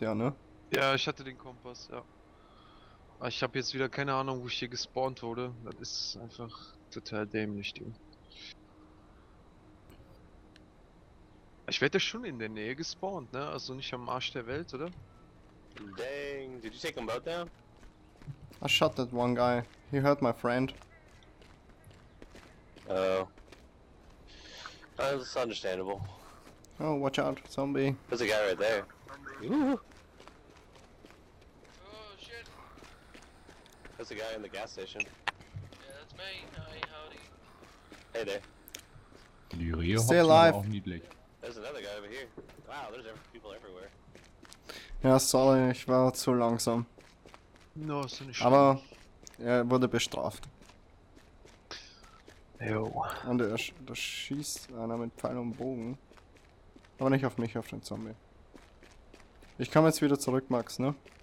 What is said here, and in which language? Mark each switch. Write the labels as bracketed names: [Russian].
[German] Ja, ne? Ja, ich hatte den Kompass, ja. Aber ich habe jetzt wieder keine Ahnung, wo ich hier gespawnt wurde. Das ist einfach total dämlich, Ding. Ich werde ja schon in der Nähe gespawnt, ne? Also nicht am Arsch der Welt, oder? [English] Dang, did you take him out there? I shot that one guy. He hurt my friend. Oh. That's understandable. Oh, watch out, zombie. There's a guy right there. Ooh. Oh shit. There's a guy in the gas station. Yeah, that's me. Hi, howdy. Hey there. Die Rio stay alive. There's another guy over here. Wow, there's people everywhere. [German] Ja, sorry, ich war zu langsam. No, ist nicht. Aber er wurde bestraft. Jo. Und da schießt einer mit Pfeil und Bogen. Aber nicht auf mich, auf den Zombie. Ich komme jetzt wieder zurück, Max, ne?